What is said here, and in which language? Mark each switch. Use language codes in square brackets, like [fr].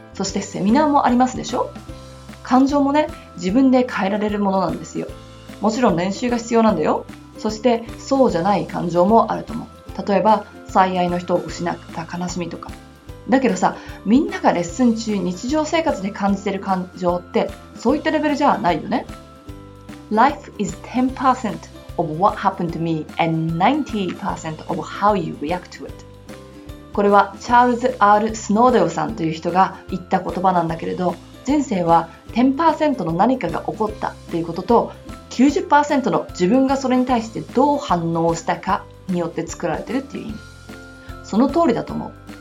[ja] そしてセミナーもありますでしょ。感情もね、自分で変えられるものなんですよ。もちろん練習が必要なんだよ。そしてそうじゃない感情もあると思う。例えば最愛の人を失った悲しみとか。だけどさ、みんながレッスン中日常生活で感じてる感情ってそういったレベルじゃないよね。 [en] Life is 10% of what happened to me and 90% of how you react to it。 [ja] これはチャールズ・アール・スノーデオさんという人が言った言葉なんだけれど、人生は 10% の何かが起こったっていうことと 90% の自分がそれに対してどう反応したかによって作られてるっていう意味。その通りだと思う。